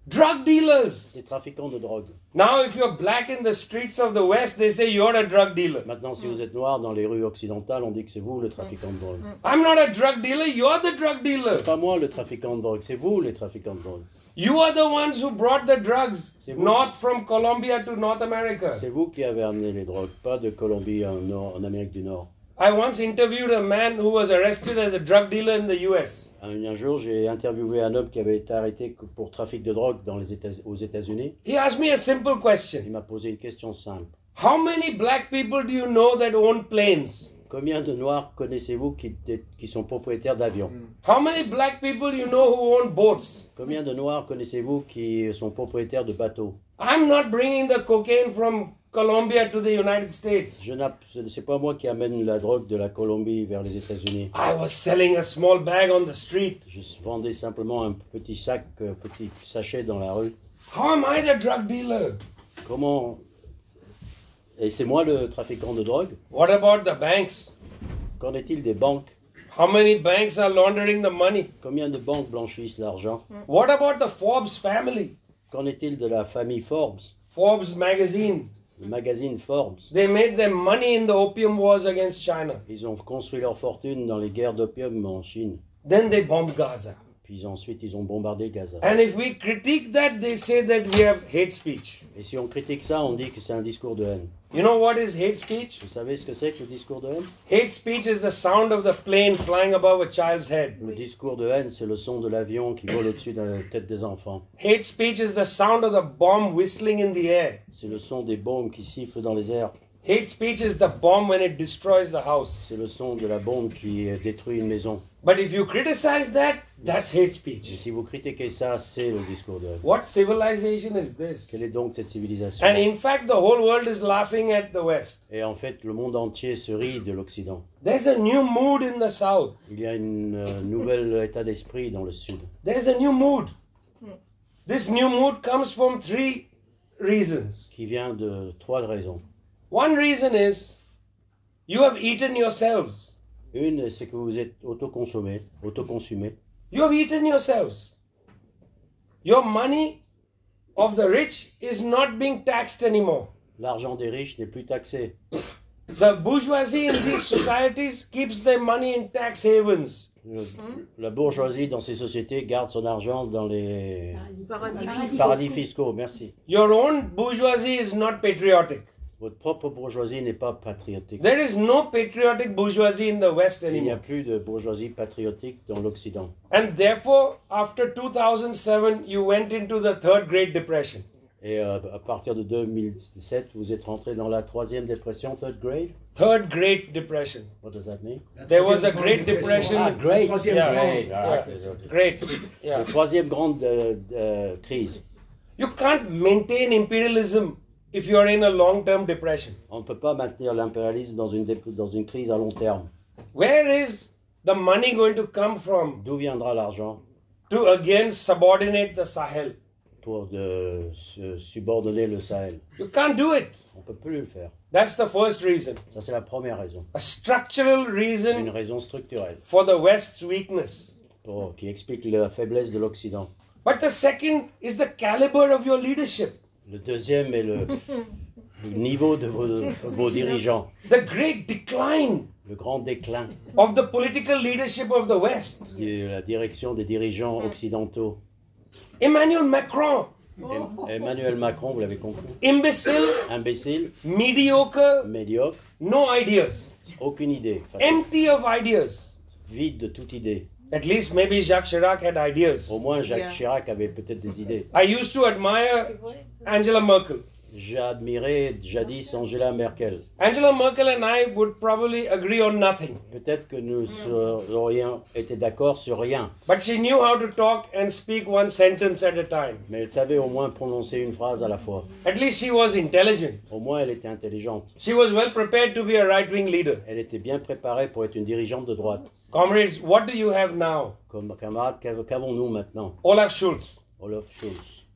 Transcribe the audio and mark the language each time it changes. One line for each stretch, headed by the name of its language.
English: Drug dealers.
French: Des trafiquants de drogue.
English: Now, if you're black in the streets of the West, they say you're a drug dealer.
French: Maintenant, si vous êtes noir dans les rues occidentales, on dit que c'est vous le trafiquant de drogue.
English: I'm not a drug dealer. You're the drug dealer.
French: C'est pas moi le trafiquant de drogue. C'est vous les trafiquants de drogue.
English: You are the ones who brought the drugs north from Colombia to North America.
French: C'est vous qui avez amené les drogues, pas de Colombie en Amérique du Nord.
English: I once interviewed a man who was arrested as a drug dealer in the US.
French: Un jour, j'ai interviewé un homme qui avait été arrêté pour trafic de drogue dans les États-Unis.
English: He asked me a simple question.
French: Il m'a posé une question simple.
English: How many black people do you know that own planes?
French: Combien de noirs connaissez-vous qui sont propriétaires d'avions?
English: How many black people you know who own boats?
French: Combien de noirs connaissez-vous qui sont propriétaires de bateaux?
English: I'm not bringing the cocaine from Colombia to the United States.
French: C'est pas moi qui amène la drogue de la Colombie vers les États-Unis.
English: I was selling a small bag on the street.
French: Je vendais simplement un petit sac, petit sachet dans la rue.
English: How am I the drug dealer?
French: Comment? Et c'est moi le trafiquant de drogue?
English: What about the banks?
French: Qu'en est-il des banques?
English: How many banks are laundering the money?
French: Combien de banques blanchissent l'argent?
English: What about the Forbes family?
French: Qu'en est-il de la famille Forbes?
English: Forbes magazine.
French: Le magazine Forbes.
English: They made their money in the opium wars against China.
French: Ils ont construit leur fortune dans les guerres d'opium en Chine.
English: Then they bombed Gaza.
French: Puis ensuite ils ont bombardé Gaza.
English: And if we critique that, they say that we have hate speech.
French: Et si on critique ça, on dit que c'est un discours de haine.
English: You know what is hate speech?
French: Vous savez ce que c'est que le discours de haine?
English: Hate speech is the sound of the plane flying above a child's head.
French: Le discours de haine, c'est le son de l'avion qui vole au-dessus de la tête des enfants.
English: Hate speech is the sound of the bomb whistling in the air.
French: C'est le son des bombes qui sifflent dans les airs.
English: Hate speech is the bomb when it destroys the house.
French: C'est le son de la bombe qui détruit une maison.
English: But if you criticize that, that's hate speech.
French: Et si vous critiquez ça, c'est le discours de haine.
English: What civilization is this?
French: Quelle est donc cette civilisation?
English: And in fact, the whole world is laughing at the West.
French: Et en fait, le monde entier se rit de l'Occident.
English: There's a new mood in the South.
French: Il y a une nouvelle état d'esprit dans le Sud.
English: There's a new mood. This new mood comes from three reasons.
French: Qui vient de trois raisons.
English: One reason is you have eaten yourselves.
French: Une, c'est que vous êtes autoconsommé, autoconsumé.
English: You have eaten yourselves. Your money of the rich is not being taxed anymore.
French: L'argent des riches n'est plus taxé.
English: The bourgeoisie in these societies keeps their money in tax havens.
French: La bourgeoisie dans ces sociétés garde son argent dans les paradis fiscaux. Merci.
English: Your own bourgeoisie is not patriotic.
French: Votre propre bourgeoisie n'est pas patriotique.
English: There is no patriotic bourgeoisie in the West anymore.
French: Il n'y a plus de bourgeoisie patriotique dans l'Occident.
English: And therefore, after 2007, you went into the third Great Depression.
French: Et à partir de 2007, vous êtes rentré dans la troisième dépression,
English: third grade. Third Great Depression. What does that mean? There was a Great Depression. Ah, great.
French: The troisième
English: Great.
French: La troisième grande crise.
English: You can't maintain imperialism. If you are in a long-term depression.
French: On ne peut pas maintenir l'impérialisme dans une crise à long terme.
English: Where is the money going to come from?
French: D'où viendra l'argent?
English: To again subordinate the Sahel.
French: Pour de se subordonner le Sahel.
English: You can't do it.
French: On ne peut plus le faire.
English: That's the first reason.
French: Ça, c'est la première raison.
English: A structural reason.
French: Une raison structurelle.
English: For the West's weakness.
French: Qui explique la faiblesse de l'Occident.
English: But the second is the caliber of your leadership.
French: Le deuxième est le niveau de vos dirigeants.
English: The great decline.
French: Le grand déclin.
English: Of the political leadership of the West.
French: De la direction des dirigeants occidentaux.
English: Emmanuel Macron.
French: Emmanuel Macron, vous l'avez compris. Imbécile. Imbécile.
English: Mediocre.
French: Médiocre.
English: No ideas.
French: Aucune idée.
English: Enfin, empty of ideas.
French: Vide de toute idée.
English: At least maybe Jacques Chirac had ideas.
French: Au moins Jacques Chirac avait peut-être des idées.
English: I used to admire Angela Merkel.
French: J'admirais jadis Angela Merkel.
English: Angela Merkel and I would probably agree on nothing.
French: Peut-être que nous aurions été d'accord sur rien.
English: But she knew how to talk and speak one sentence at a time.
French: Mais elle savait au moins prononcer une phrase à la fois.
English: At least she was intelligent.
French: Au moins elle était intelligente.
English: She was well prepared to be a right-wing leader.
French: Elle était bien préparée pour être une dirigeante de droite.
English: Comrades, what do you have now?
French: Comme camarades, qu'avons-nous maintenant?
English: Olaf Scholz. Olaf Scholz.